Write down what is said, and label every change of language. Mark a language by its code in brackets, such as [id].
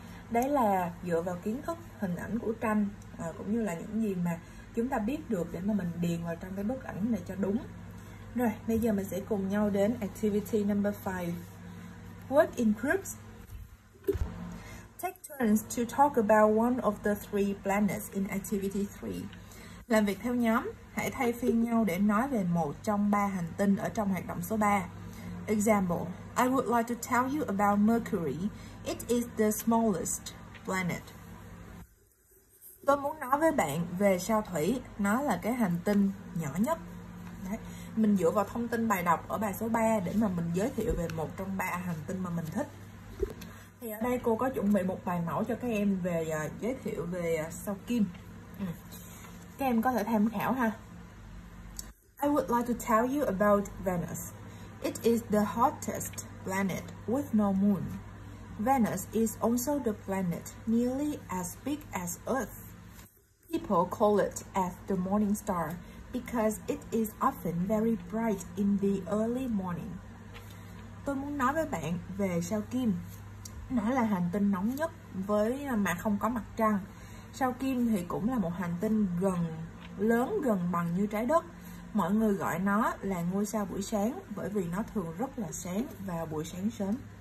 [vi] Đấy là dựa vào kiến thức hình ảnh của tranh, cũng như là những gì mà chúng ta biết được để mà mình điền vào trong cái bức ảnh này cho đúng. Rồi, bây giờ mình sẽ cùng nhau đến [en] activity number 5. Work in groups. Take turns to talk about one of the three planets in activity 3. [vi] Làm việc theo nhóm, hãy thay phiên nhau để nói về một trong ba hành tinh ở trong hoạt động số 3. [en] Example: I would like to tell you about Mercury. It is the smallest planet. [vi] Tôi muốn nói với bạn về sao Thủy, nó là cái hành tinh nhỏ nhất. Đấy, mình dựa vào thông tin bài đọc ở bài số 3 để mà mình giới thiệu về một trong ba hành tinh mà mình thích. Thì ở đây cô có chuẩn bị một bài mẫu cho các em về giới thiệu về sao Kim. Các em có thể tham khảo ha. [en] I would like to tell you about Venus. It is the hottest planet with no moon. Venus is also the planet nearly as big as Earth. People call it as the morning star because it is often very bright in the early morning. [vi] Tôi muốn nói với bạn về sao Kim. Nó là hành tinh nóng nhất với mà không có mặt trăng. Sao Kim thì cũng là một hành tinh lớn gần bằng như trái đất. Mọi người gọi nó là ngôi sao buổi sáng bởi vì nó thường rất là sáng vào buổi sáng sớm.